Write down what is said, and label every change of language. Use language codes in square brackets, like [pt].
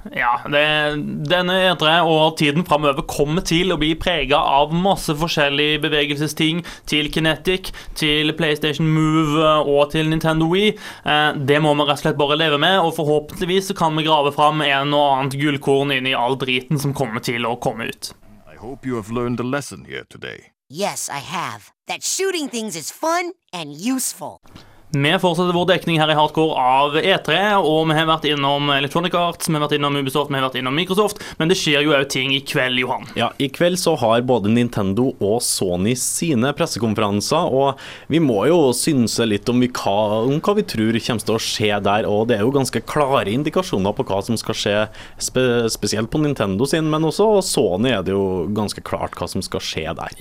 [no] Ja, denne E3 og tiden fremover kommer til å bli preget av masse forskjellige bevegelsesting, til Kinetic, til PlayStation Move og til Nintendo Wii. Det må man rett og slett bare leve med, og forhåpentligvis så kan vi grave frem en og annet gullkorn inn i all driten som kommer til å komme ut. [en] I hope you have learned a lesson here today. Yes, I have. That shooting things is fun and useful. [no] Vi fortsetter vår dekning her i Hardcore av E3, og vi har vært innom Electronic Arts, vi har vært innom Ubisoft, vi har vært innom Microsoft, men det skjer jo også ting i kveld, Johan. Ja, i kveld så har både Nintendo og Sony sine pressekonferanser, og vi må jo synse litt om hva vi tror kommer til å skje der, og det er jo ganske klare indikasjoner på hva som skal skje, spesielt på Nintendo sin, men også Sony er det jo ganske klart hva som skal skje der.